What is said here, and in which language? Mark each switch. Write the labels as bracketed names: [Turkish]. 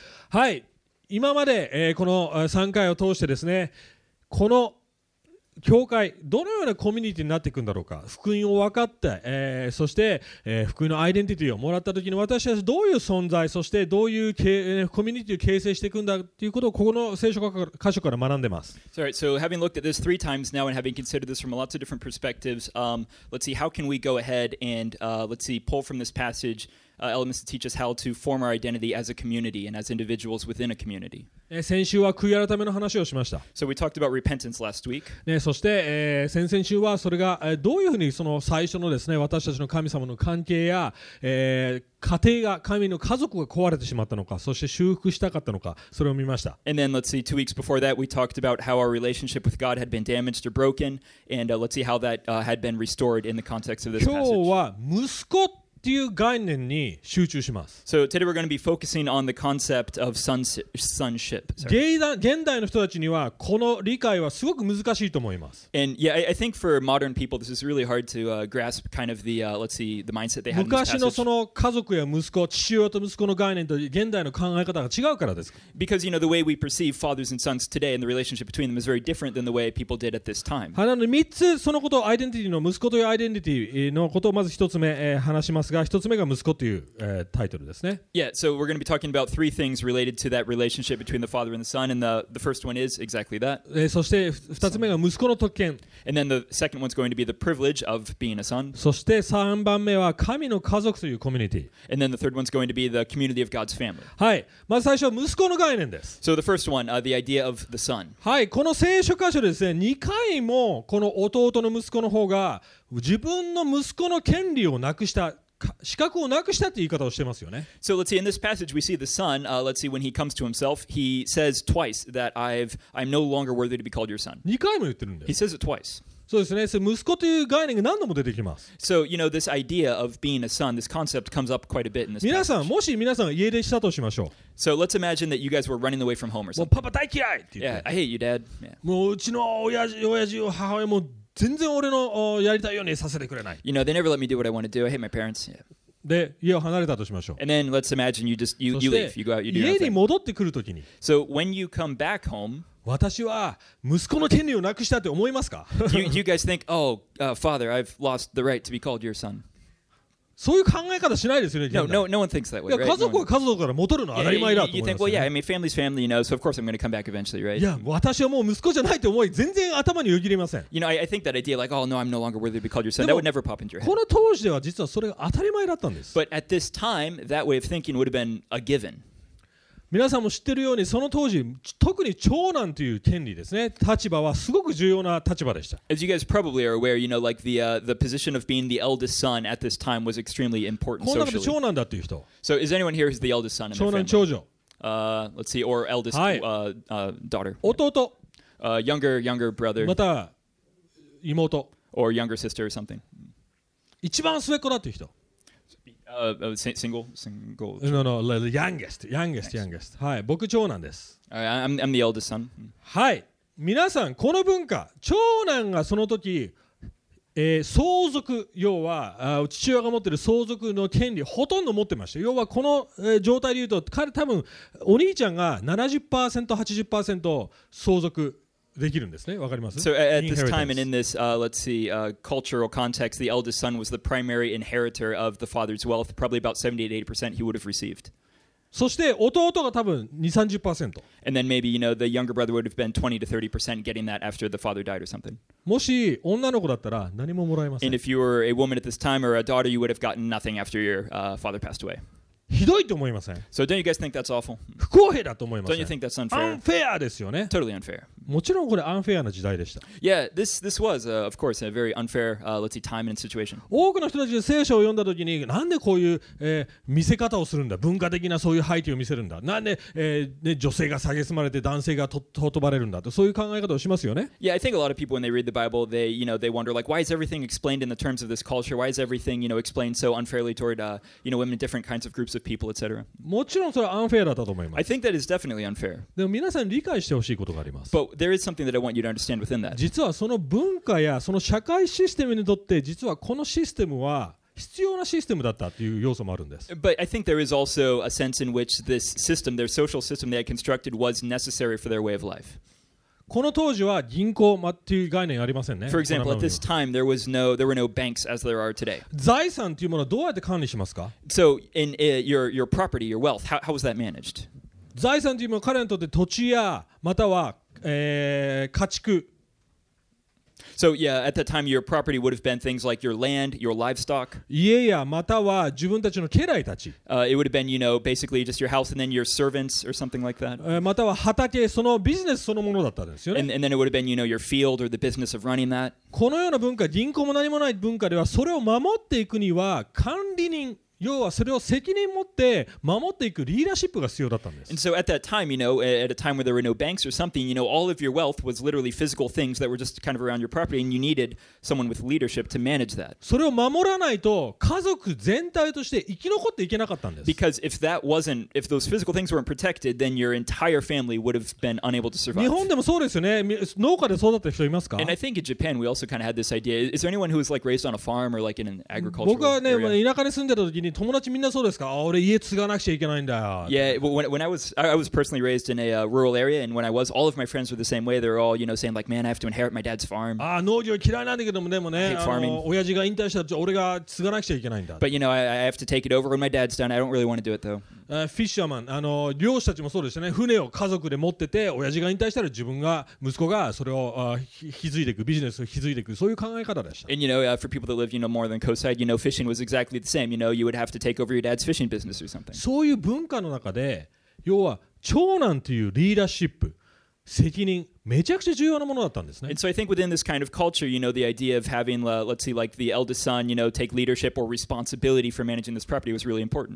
[Japanese] はい、今まで、この3回を通してですね、この教会どのようなコミュニティになっていくんだろうか、福音を分かって、そして、福音のアイデンティティをもらったときに私たちどういう存在、そしてどういうコミュニティを形成していくんだということをここの聖書箇所から学んでます。 [English] Sorry, so having looked at this three times now and having considered this from lots of different perspectives, let's see, how can we go ahead and let's see, pull from this passageElements to teach us how to form our identity as a community and as individuals within a community. [Japanese] 先週は悔い改めの話をしました。 [English] So we talked about repentance last week. [Japanese] そして、先々週はそれが、どういうふうにその最初のですね、私たちの神様の関係や、家庭が、神の家族が壊れてしまったのか、そして修復したかったのか、それを見ました。 [English] And then let's see, 2 weeks before that we talked about how our relationship with God had been damaged or broken, and let's see how that had been restored in the context of this passage. [Japanese] 今日は息子っていう概念に集中します。 [English] So today we're going to be focusing on the concept of sonship. [Japanese] 現代の人たちにはこの理解はすごく難しいと思います。 [English] And yeah, I think for modern people this is really hard to grasp kind of the, let's see, the mindset they have in this passage. [Japanese] 昔のその家族や息子、父親と息子の概念と現代の考え方が違うからです。 [English] Because you know, the way we perceive fathers and sons today and the relationship between them is very different than the way people did at this time. [Japanese] なので3つそのことを、アイデンティティの息子というアイデンティティのことをまず1つ目、話します。 1つ目が息子という、タイトルですね。 [English] Yeah, so we're going to be talking about three things related to that relationship between the father and the son, and the first one is exactly that. [Japanese] そして2つ目が息子の特権。 [English] And then the second one's going to be the privilege of being a son. [Japanese] そして3番目は神の家族というコミュニティ。 [English] And then the third one's going to be the community of God's family. [Japanese] はい、まず最初は息子の概念です。 [English] So the first one, the idea of the son. [Japanese] はい、この聖書箇所ですね、2回もこの弟の息子の方が自分の息子の権利をなくした、資格をなくしたって言い方をしてますよね。 [English] So let's see, in this passage we see the son, let's see, when he comes to himself, he says twice that I'm no longer worthy to be called your son. [Japanese] 2回も言ってるんだよ。 [English] He says it twice. [Japanese] そうですね。息子という概念が何度も出てきます。 [English] So, you know, this idea of being a son, this concept comes up quite a bit in this [Japanese] 皆さん、もし皆さんが家出したとしましょう。 [English] So, let's imagine that you guys were running away from home or something. [Japanese] もうパパ大嫌いって言って。 [English] Yeah, I hate you, Dad. Yeah. [Japanese] もううちの親父、母親も全然俺のやりたいようにさせてくれない。 [English] You know, they never let me do what I want to do. I hate my parents. Yeah. [Japanese] で家を離れたとしましょう。 [English] And then let's imagine you just you leave, you go out, you do nothing. [Japanese] 家に戻ってくるときに、 [English] So when you come back home, [Japanese] 私は息子の権利をなくしたって思いますか？ [English] you guys think, oh, father, I've lost the right to be called your son. [Japanese] そういう考え方しないですよね。 [English] No one thinks that way, right? [Japanese] 家族は家族から戻るのは当たり前だと思います。 [English] You think, well, yeah, I mean, family's family, you know, so of course I'm going to come back eventually, right? [Japanese] いや、私はもう息子じゃないって思い、全然頭によぎりません。 [English] You know, I think that idea, like, oh, no, I'm no longer worthy to be called your son, that would never pop into your head. [Japanese] この当時では実はそれが当たり前だったんです。 [English] But at this time, that way of thinking would have been a given. [Japanese] 皆さんも知ってるようにその当時特に長男という権利ですね立場はすごく重要な立場でした [English] As you guys probably are aware, you know, like the position of being the eldest son at this time was extremely important socially. [Japanese] この中で長男だという人 [English] So is anyone here who's the eldest son in the family? [Japanese] 長男長女 [English] Let's see, or eldest、 [Japanese] はい [English] daughter [Japanese] 弟、 [English] younger brother [Japanese] また妹 [English] or younger sister or something [Japanese] 一番末っ子だという人 [English] single. No, youngest. [Japanese] はい、僕長男です。 [English] I'm the eldest son. [Japanese] はい、皆さんこの文化、長男がその時、相続、要は父親が持っている相続の権利ほとんど持ってました。要はこの、状態で言うと、彼多分お兄ちゃんが 70%、80% 相続。できるんですね。わかります? [English] So at this time and in this, let's see, cultural context, the eldest son was the primary inheritor of the father's wealth. Probably about 70-80% he would have received. [Japanese] そして弟が多分 20-30%. [English] And then maybe, you know, the younger brother would have been 20-30% getting that after the father died or something. [Japanese] もし女の子だったら何ももらえません。 [English] And if you were a woman at this time or a daughter, you would have gotten nothing after your father passed away. [Japanese] ひどいと思いません。 [English] So don't you guys think that's awful? [Japanese] 不公平だと思いません。 [English] Don't you think that's unfair? [Japanese] Unfair ですよね。 [English] Totally unfair. [Japanese] もちろんこれ unfair な時代でした。 [English] Yeah, this was, of course, a very unfair, let's see, time and situation. [Japanese] 多くの人たちが聖書を読んだときに、なんでこういう、見せ方をするんだ、文化的なそういう背景を見せるんだ、なんで、ね、女性が蔑まれて男性がととばれるんだと、そういう考え方をしますよね。 [English] Yeah, I think a lot of people when they read the Bible, they, you know, they wonder, like, why is everything explained in the terms of this culture? Why is everything, you know, explained so unfairly toward, you know, women in different kinds of groups of people, etc. [Japanese] もちろんそれは unfair だったと思います。 [English] I think that is definitely unfair. [Japanese] でも皆さん理解してほしいことがあります。 [English] But there is something that I want you to understand within that. [Japanese] 実はその文化やその社会システムにとって実はこのシステムは必要なシステムだったという要素もあるんです。 [English] But I think there is also a sense in which this system, their social system they had constructed was necessary for their way of life. [Japanese] この当時は銀行っていう概念ありませんね。 [English] For example, at this time, there were no banks as there are today. [Japanese] 財産というものはどうやって管理しますか? [English] So, in your property, your wealth, how was that managed? [Japanese] 財産というものは彼にとって土地やまたは、家畜。 [English] So, yeah, at that time, your property would have been things like your land, your livestock. [Japanese] 家やまたは自分たちの家来たち。 [English] It would have been, you know, basically just your house and then your servants or something like that. [Japanese] または畑、そのビジネスそのものだったんですよね。 [English] And then it would have been, you know, your field or the business of running that. [Japanese] このような文化、銀行も何もない文化では、それを守っていくには管理人、要はそれを責任持って守っていくリーダーシップが必要だったんです。 [English] And so at that time, you know, at a time where there were no banks or something, you know, all of your wealth was literally physical things that were just kind of around your property, and you needed someone with leadership to manage that. [Japanese] それを守らないと家族全体として生き残っていけなかったんです。 [English] Because if that wasn't, if those physical things weren't protected, then your entire family would have been unable to survive. [Japanese] 日本でもそうですよね。農家で育った人いますか? [English] And I think in Japan, we also kind of had this idea. Is there anyone who was like raised on a farm or like in an agricultural area? [Japanese] 僕はね、田舎に住んでた時に友達みんなそうですか?あ、俺家継がなくちゃいけないんだよ。 [English] Yeah, when I was personally raised in a rural area, and when I was, all of my friends were the same way. They were all, you know, saying like, man, I have to inherit my dad's farm. [Japanese] あ、農業嫌いなんだけども、でもね、親父が引退したら俺が継がなくちゃいけないんだ。 [English] But you know, I have to take it over when my dad's done. I don't really want to do it though. [Japanese] フィッシャーマン、あの漁師たちもそうでしたね。船を家族で持ってて、親父が引退したら自分が息子がそれを引き継いでいく、ビジネスを引き継いでいく、そういう考え方でした。 [English] And you know, for people that live, you know, more than coastside, you know, fishing was exactly the same. You know, you would have to take over your dad's fishing business or something. [Japanese] そういう文化の中で、要は長男というリーダーシップ、責任、めちゃくちゃ重要なものだったんですね。 [English] And so I think within this kind of culture, you know, the idea of having, let's see, like the eldest son, you know, take leadership or responsibility for managing this property was really important.